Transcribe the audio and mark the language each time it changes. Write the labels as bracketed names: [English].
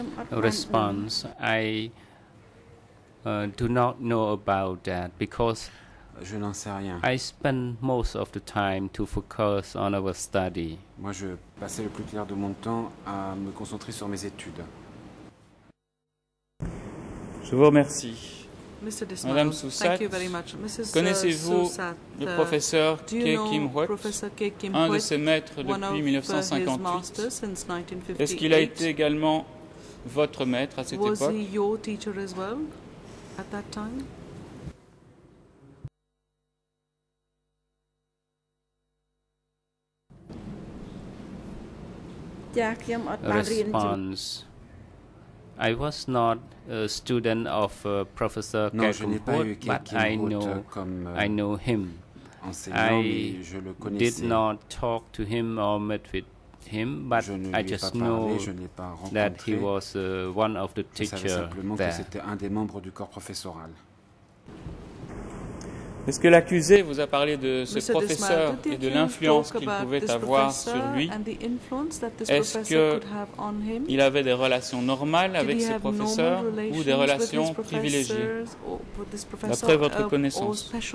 [English] Response, I do not know about that because [French] je n'en sais rien. [English] I spend most of the time to focus on our study. [French] Moi, je passais le plus clair de mon temps à me concentrer sur mes études. Je vous remercie. [English] Mr. Desmond, [French] Madame Sou Swath, [English] thank you very much. Mrs. [French] Connaissez-vous le professeur Kei Kim Huet, un de ses maîtres depuis 1958? Est-ce qu'il a été également votre maître à cette époque? [English] Was he your teacher as well at that time? Response. I was not a student of Professor Kei Kim Huet, but I know him. I did not talk to him or met with him, but I just know that he was one of the teachers there. [French] C'était un des membres du corps professoral. Est-ce que l'accusé vous a parlé de ce professeur et de l'influence qu'il pouvait avoir sur lui? Est-ce qu'il avait des relations normales avec ce professeur ou des relations privilégiées, d'après votre connaissance?